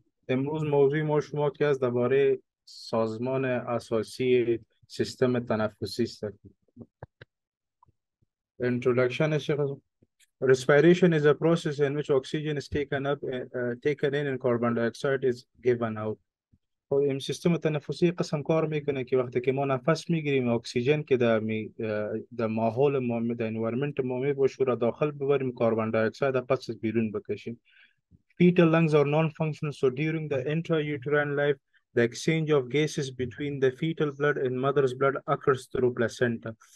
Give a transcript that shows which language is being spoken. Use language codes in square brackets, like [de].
[fa] امروز موضوع ما شما که از درباره سازمان اساسی سیستم تنفسی است. [en] Introduction is respiration is a process in which oxygen is taken up, taken in and carbon dioxide is given out. [fa] خب این سیستم تنفسی قسم کار میکنه که وقتی که ما نفس میگیریم اکسیژن که در ماحول ما در انوایرمنت ما میباشه را داخل ببریم کاربن دای اکساید پس بیرون بکشیم. [en] Fetal lungs are non-functional, so during the intrauterine life, the exchange of gases between the fetal blood and mother's blood occurs through placenta.